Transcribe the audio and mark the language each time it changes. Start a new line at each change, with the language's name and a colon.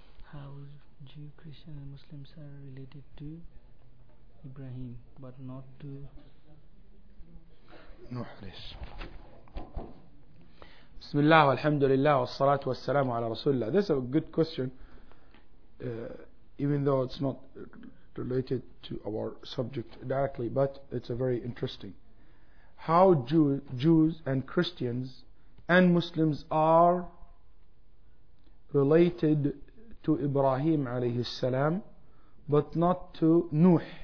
English: How Jew, Christian, and Muslims are related to Ibrahim, but not to Nuh.
Arabic: بسم الله والحمد لله والصلاة والسلام على رسول الله.
English: This is a good question, even though it's not related to our subject directly, but it's a very interesting. How Jews and Christians and Muslims are related to Ibrahim عليه السلام but not to Nuh.